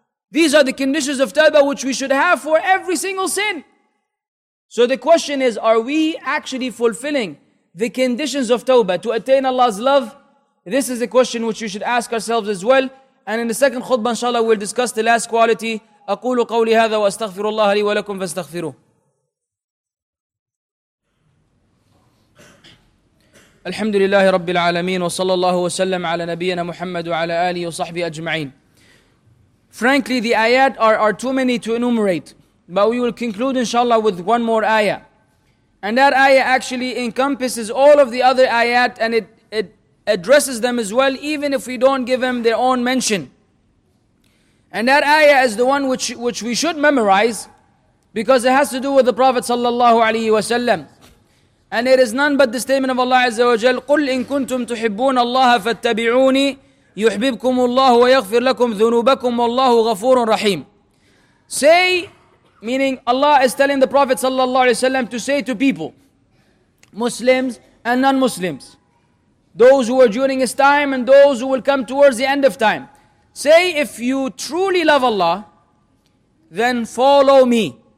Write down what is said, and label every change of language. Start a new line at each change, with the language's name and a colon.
English: These are the conditions of tawbah which we should have for every single sin. So the question is, are we actually fulfilling the conditions of tawbah to attain Allah's love? This is the question which we should ask ourselves as well. And in the second khutbah, inshallah, we'll discuss the last quality.
Arabic: أقول قولي هذا وأستغفر الله لي ولكم فاستغفروه. الحمد لله رب العالمين وصلى الله وسلم على نبينا محمد وعلى آله وصحبه أجمعين.
English: Frankly, the ayat are too many to enumerate, but we will conclude inshallah with one more ayah. And that ayah actually encompasses all of the other ayat, and it addresses them as well, even if we don't give them their own mention. And that ayah is the one which we should memorize, because it has to do with the Prophet sallallahu alaihi wasallam. And it is none but the statement of Allah Azza wa Jal,
Arabic: قُلْ إِن كُنْتُمْ تُحِبُّونَ اللَّهَ فَاتَّبِعُونِي يُحْبِبْكُمُ اللَّهُ وَيَغْفِرْ لَكُمْ ذُنُوبَكُمْ وَاللَّهُ غَفُورٌ رَحِيمٌ.
English: Say, meaning Allah is telling the Prophet sallallahu alaihi wasallam to say to people, Muslims and non-Muslims, those who are during his time and those who will come towards the end of time, say, if you truly love Allah, then follow me.